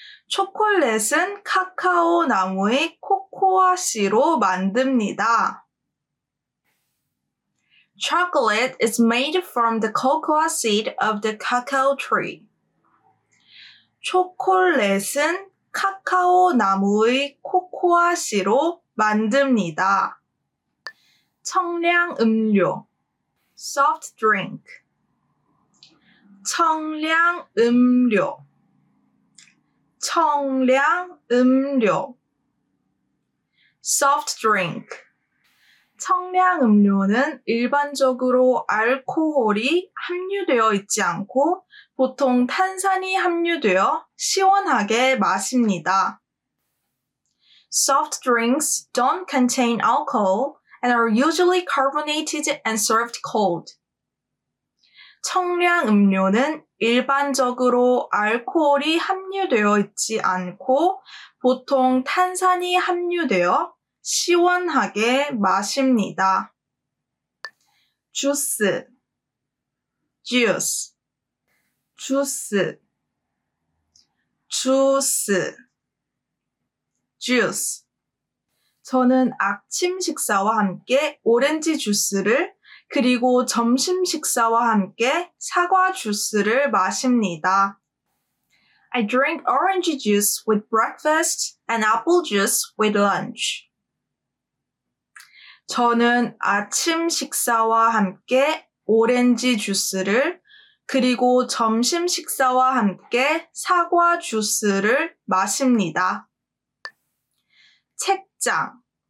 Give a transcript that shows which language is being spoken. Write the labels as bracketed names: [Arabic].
[Korean] 초콜릿은 카카오 나무의 코코아 씨로 만듭니다. [English] Chocolate is made from the cocoa seed of the cacao tree. [Korean] 초콜릿은 카카오 나무의 코코아 씨로 만듭니다. 청량 음료. [English] Soft drink. [Korean] 청량 음료. 청량 음료. [English] Soft drink. [Korean] 청량 음료는 일반적으로 알코올이 함유되어 있지 않고 보통 탄산이 함유되어 시원하게 마십니다. [English] Soft drinks don't contain alcohol and are usually carbonated and served cold. [Korean] 청량 음료는 일반적으로 알코올이 함유되어 있지 않고 보통 탄산이 함유되어 시원하게 마십니다. 주스. [English] Juice. [Korean] 주스. 주스. [English] Juice. [Korean] 저는 아침 식사와 함께 오렌지 주스를 그리고 점심 식사와 함께 사과 주스를 마십니다. [English] I drink orange juice with breakfast and apple juice with lunch. [Korean] 저는 아침 식사와 함께 오렌지 주스를 그리고 점심 식사와 함께 사과 주스를 마십니다. 책장.